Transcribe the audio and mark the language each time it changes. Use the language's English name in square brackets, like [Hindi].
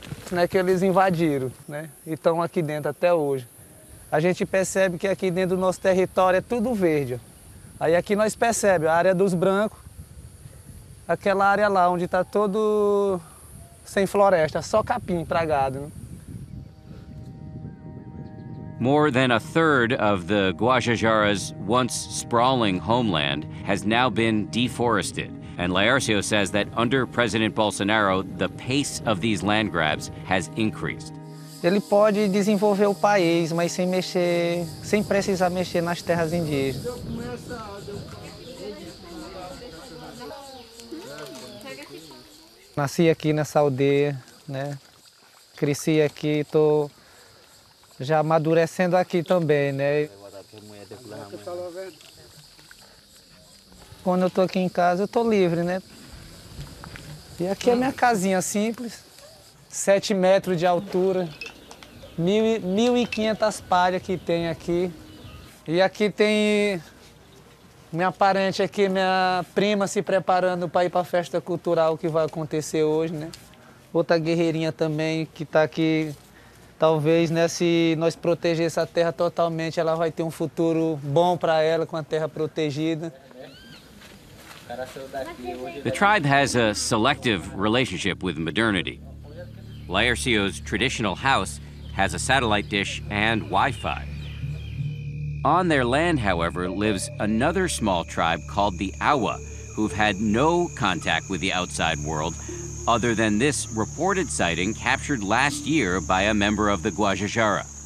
[Portuguese] Não é que eles invadiram, né? E estão aqui dentro até hoje. A gente percebe que aqui dentro do nosso território é tudo verde. Aí aqui nós percebemos a área dos brancos, aquela área lá onde está todo sem floresta, só capim para gado, né? [English] More than a third of the Guajajara's once sprawling homeland has now been deforested, and Laercio says that under President Bolsonaro, the pace of these land grabs has increased. [Portuguese] Ele pode desenvolver o país, mas sem precisar mexer nas terras indígenas. Nasci aqui nessa aldeia, né? Cresci aqui, tô já amadurecendo aqui também, né? Quando eu tô aqui em casa, eu tô livre, né? E aqui é minha casinha simples. 7 metros de altura, 1.500 palhas que tem aqui. E aqui tem minha parente aqui, minha prima, se preparando para ir para a festa cultural que vai acontecer hoje, né? Outra guerreirinha também que está aqui. Talvez, né, se nós proteger essa terra totalmente, ela vai ter um futuro bom para ela com a terra protegida. [English] The tribe has a selective relationship with modernity. Laercio's traditional house has a satellite dish and Wi-Fi. On their land, however, lives another small tribe called the Awa, who've had no contact with the outside world other than this reported sighting captured last year by a member of the Guajajara.